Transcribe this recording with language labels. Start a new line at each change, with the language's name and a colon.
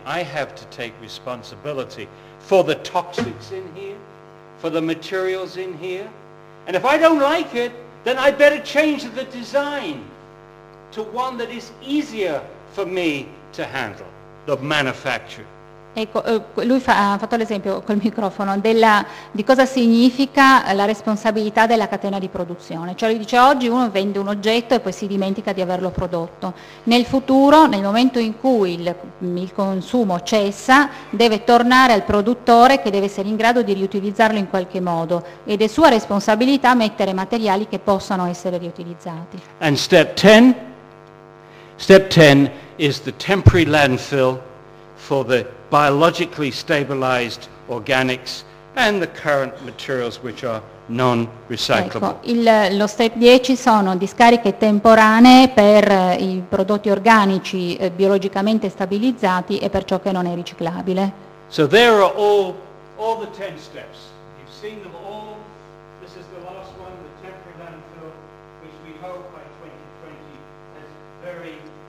English: I have to take responsibility for the toxics in here, for the materials in here. And if I don't like it, then I better change the design to one that is easier for me to handle, the manufacturer.
Italian: Ecco, lui ha fatto l'esempio col microfono della, di cosa significa la responsabilità della catena di produzione. Cioè lui dice oggi uno vende un oggetto e poi si dimentica di averlo prodotto. Nel futuro, nel momento in cui il consumo cessa, deve tornare al produttore che deve essere in grado di riutilizzarlo in qualche modo. Ed è sua responsabilità mettere materiali che possano essere riutilizzati.
English: And step 10 is the temporary landfill for the biologically stabilized organics and the current materials which are non-recyclable.
Italian: Ecco, lo step 10 sono discariche temporanee per i prodotti organici biologicamente stabilizzati e per ciò che non è riciclabile.
English: So there are all the 10 steps. You've seen them all. This is the last one, the temporary landfill, which we hope by 2020 has very